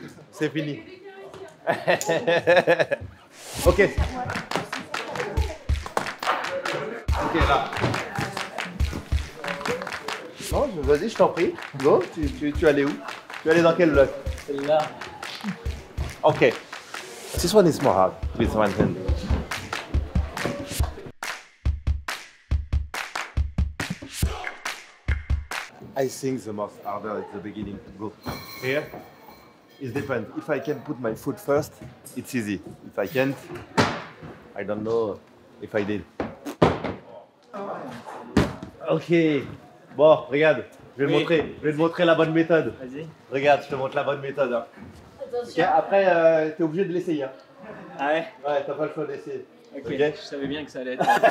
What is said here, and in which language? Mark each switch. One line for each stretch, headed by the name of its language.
French: C'est fini. Ok. Ok, là. Non, vas-y, je t'en prie. Go, tu allais où? Tu allais dans quel bloc? Celui-là. Ok.
English: This one is more hard with one hand. I think the most harder at the beginning. Go. Here, it depends. If I can put my foot first, it's easy. If I can't, I don't know if I did.
French: Ok. Bon, regarde, je vais, oui. Montrer, je vais te montrer la bonne méthode. Vas-y. Regarde, je te montre la bonne méthode. Hein. Attention. Okay, après, t'es obligé de l'essayer. Ah ouais? Ouais, t'as pas le choix d'essayer. Okay. Ok, je savais bien que ça allait être.